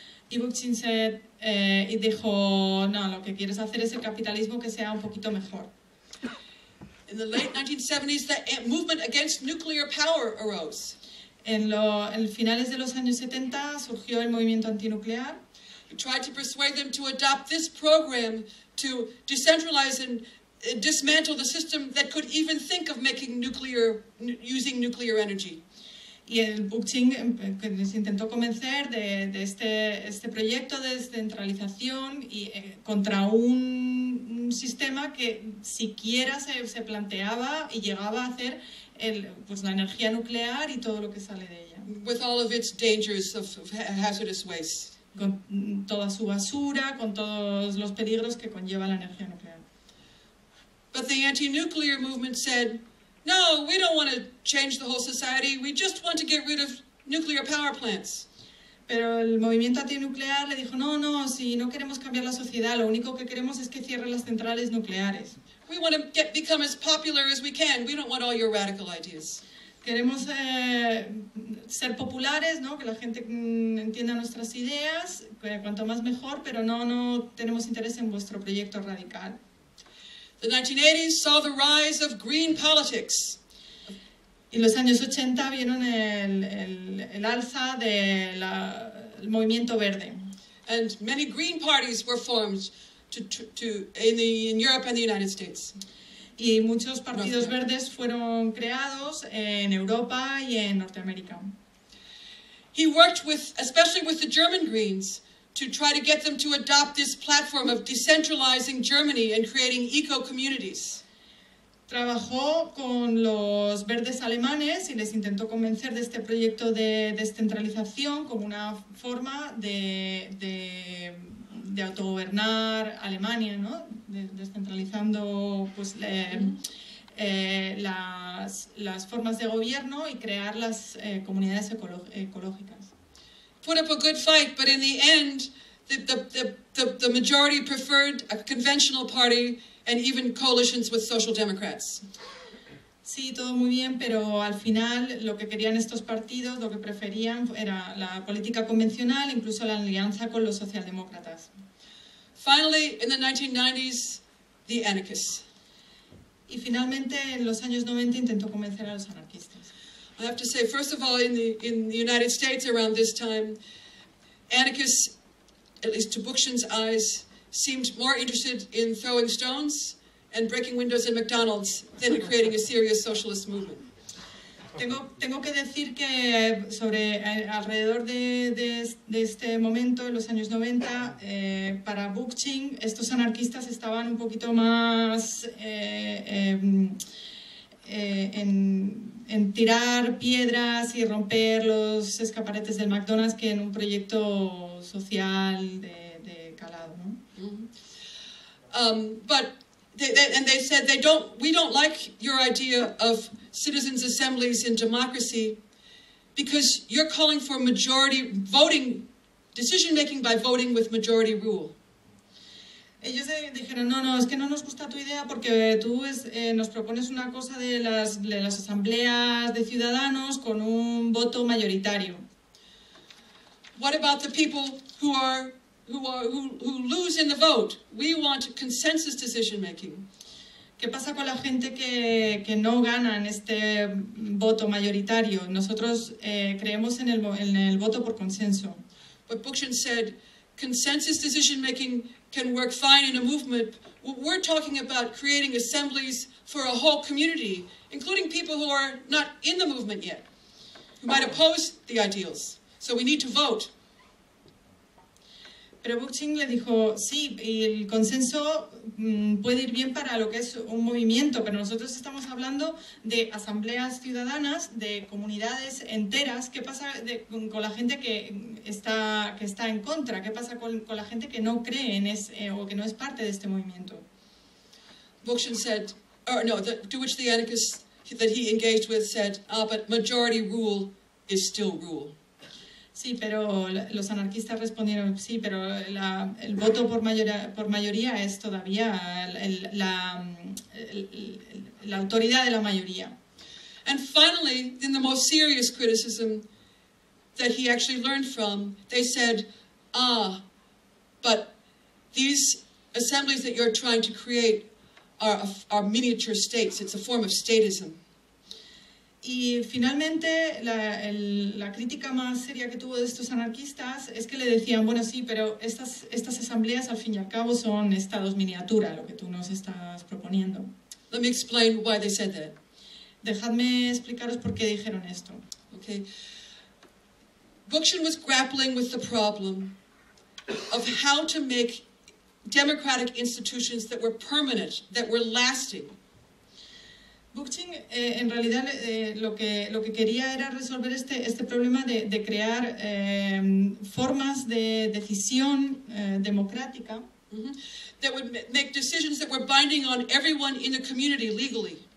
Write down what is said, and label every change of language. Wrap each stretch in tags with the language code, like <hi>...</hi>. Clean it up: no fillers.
<es>Y Bookchin said, y dijo, "No, lo que quieres hacer es el capitalismo que sea un poquito mejor."</es> <en>In the late 1970s, the movement against nuclear power arose.</en> <es>En finales de los años 70 surgió el movimiento antinuclear.</es> <en>He tried to persuade them to adopt this program to decentralize and dismantle the system that could even think of making nuclear, using nuclear energy.</en> <es>Y el Bookchin les intentó convencer de este proyecto de descentralización y contra un sistema que siquiera se planteaba y llegaba a hacer la energía nuclear y todo lo que sale de ella.</es> <en>With all of its dangers of hazardous waste.</en> <es>Con toda su basura, con todos los peligros que conlleva la energía nuclear.</es> <en>But the anti-nuclear movement said, no, we don't want to change the whole society, we just want to get rid of nuclear power plants.</en> <es>Pero el movimiento antinuclear le dijo, no, si no queremos cambiar la sociedad, lo único que queremos es que cierren las centrales nucleares.</es> <en>We want to become as popular as we can, we don't want all your radical ideas.</en> <es>Queremos ser populares, ¿no? Que la gente entienda nuestras ideas, cuanto más mejor, pero no tenemos interés en vuestro proyecto radical.</es> <en>The 1980s saw the rise of green politics.</en> <es>Y los años 80 vieron el alza del movimiento verde.</es> <en>And many green parties were formed in Europe and the United States.</en> <es>Y muchos partidos verdes fueron creados en Europa y en Norteamérica.</es> <en>He worked with, especially with the German Greens, to try to get them to adopt this platform of decentralizing Germany and creating eco-communities.</en> <es>Trabajó con los verdes alemanes y les intentó convencer de este proyecto de descentralización como una forma de autogobernar Alemania, ¿no? Descentralizando pues, las formas de gobierno y crear las comunidades ecológicas.</es> <en>Put up a good fight, but in the end, the majority preferred a conventional party and even coalitions with social democrats.</en> <es>Sí, todo muy bien, pero al final lo que querían estos partidos, lo que preferían era la política convencional, incluso la alianza con los socialdemócratas.</es> <en>Finally, in the 1990s, the anarchists.</en> <es>Y finalmente en los años 90 intentó convencer a los anarquistas.</es> <en>I have to say, first of all, in the United States around this time, anarchists, at least to Bookchin's eyes, seemed more interested in throwing stones and breaking windows in McDonald's than in creating a serious socialist movement.</en> <es>Tengo que decir que sobre alrededor de este momento, en los años 90, para Bookchin, estos anarquistas estaban un poquito más en tirar piedras y romper los escaparates del McDonald's que en un proyecto social de calado, ¿no?</es> <en>But they said we don't like your idea of citizens' assemblies in democracy because you're calling for majority voting, decision making by voting with majority rule.</en> <es>Ellos dijeron no es que no nos gusta tu idea porque tú nos propones una cosa de las asambleas de ciudadanos con un voto mayoritario.</es> <en>What about the people who lose in the vote? We want consensus decision making.</en> <es>¿Qué pasa con la gente que no gana en este voto mayoritario? Nosotros creemos en el voto por consenso.</es> <en>But Bookchin said consensus decision making can work fine in a movement. We're talking about creating assemblies for a whole community, including people who are not in the movement yet, who might oppose the ideals. So we need to vote.</en> <es>Pero Bookchin le dijo, sí, el consenso puede ir bien para lo que es un movimiento, pero nosotros estamos hablando de asambleas ciudadanas, de comunidades enteras. ¿Qué pasa con la gente que está en contra? ¿Qué pasa con la gente que no cree en o que no es parte de este movimiento?</es> <en>Bookchin said, or no, to which the anarchist that he engaged with said, ah, but majority rule is still rule.</en> <es>Sí, pero los anarquistas respondieron, sí, pero el voto por mayoría es todavía la autoridad de la mayoría.</es> <en>And finally, in the most serious criticism that he actually learned from, they said, ah, but these assemblies that you're trying to create are miniature states, it's a form of statism.</en> <es>Y finalmente, la crítica más seria que tuvo de estos anarquistas es que le decían, bueno, sí, pero estas asambleas al fin y al cabo son estados miniatura, lo que tú nos estás proponiendo.</es> <en>Let me explain why they said that.</en> <es>Dejadme explicaros por qué dijeron esto.</es> <en>Okay. Bookchin was grappling with the problem of how to make democratic institutions that were permanent, that were lasting.</en> <es>Bookchin, en realidad, lo que quería era resolver este problema de crear formas de decisión democrática. Mm-hmm.</es> <en>That would make decisions that were binding on everyone in the community legally.</en>